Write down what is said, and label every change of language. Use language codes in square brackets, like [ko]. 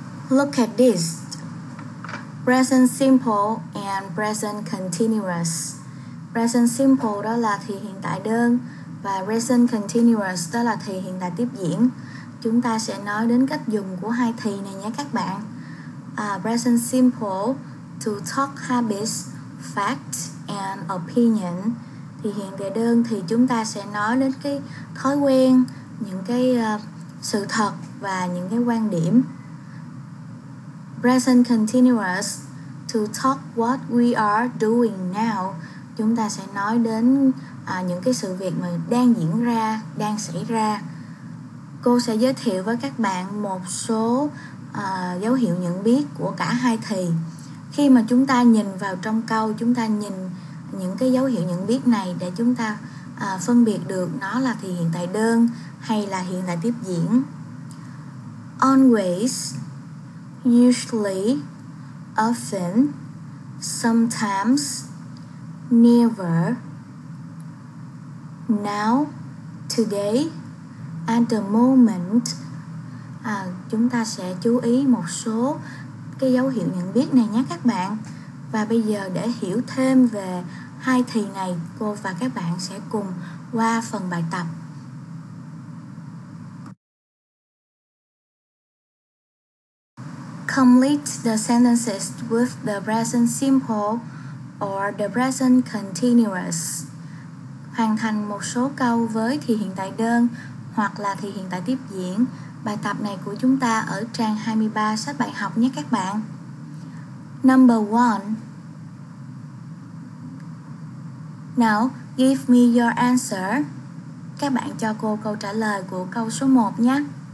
[en] Look at this. Present simple and present continuous. [vi] Present simple đó là thì hiện tại đơn và present continuous đó là thì hiện tại tiếp diễn. Chúng ta sẽ nói đến cách dùng của hai thì này nhé các bạn. [en] Present simple to talk habits, facts and opinion. [vi] Thì hiện tại đơn thì chúng ta sẽ nói đến cái thói quen, những cái sự thật và những cái quan điểm. [en] Present continuous to talk what we are doing now. [vi] Chúng ta sẽ nói đến những cái sự việc mà đang diễn ra, đang xảy ra. Cô sẽ giới thiệu với các bạn một số dấu hiệu nhận biết của cả hai thì. Khi mà chúng ta nhìn vào trong câu, chúng ta nhìn những cái dấu hiệu nhận biết này để chúng ta phân biệt được nó là thì hiện tại đơn hay là hiện tại tiếp diễn. [en] Always, usually, often, sometimes, never, now, today, at the moment. [vi] Chúng ta sẽ chú ý một số cái dấu hiệu nhận biết này nhé các bạn. Và bây giờ để hiểu thêm về hai thì này, cô và các bạn sẽ cùng qua phần bài tập. [en] Complete the sentences with the present simple or the present continuous. [vi] Hoàn thành một số câu với thì hiện tại đơn hoặc là thì hiện tại tiếp diễn. Bài tập này của chúng ta ở trang 23 sách bài học nhé các bạn. [en] Number 1. Now, give me your answer. [vi] Các bạn cho cô câu trả lời của câu số 1 nhé.